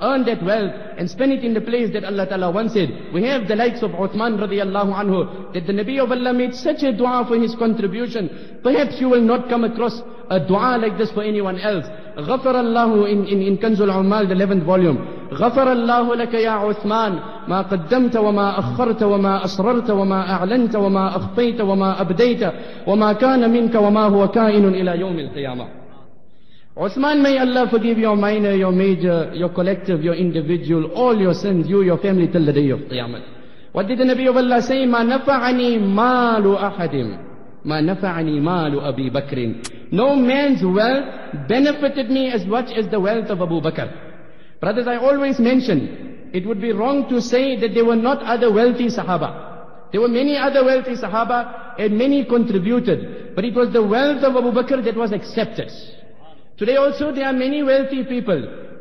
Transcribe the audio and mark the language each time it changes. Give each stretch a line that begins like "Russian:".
English: Earn that wealth and spend it in the place that Allah Ta'ala once said. We have the likes of Uthman radiallahu anhu, that the Nabi of Allah made such a dua for his contribution. Perhaps you will not come across a dua like this for anyone else.
Arabic: غفر الله
English: in Kanzul Umal, the 11th volume.
Arabic: غفر الله لك يا عثمان ما قدمت وما أخرت وما أسررت وما أعلنت وما أخفيت وما أبديت وما كان منك وما هو كائن إلى يوم القيامة.
English: Uthman, may Allah forgive your minor, your major, your collective, your individual, all your sins, you, your family, till the day of Qiyamah. What did the Nabi of Allah say?
Arabic: ما نفعني مال أحد ما نفعني مال أبي بكر.
English: No man's wealth benefited me as much as the wealth of Abu Bakr. Brothers, I always mention, it would be wrong to say that there were not other wealthy Sahaba. There were many other wealthy Sahaba and many contributed. But it was the wealth of Abu Bakr that was accepted. Today also there are many wealthy people.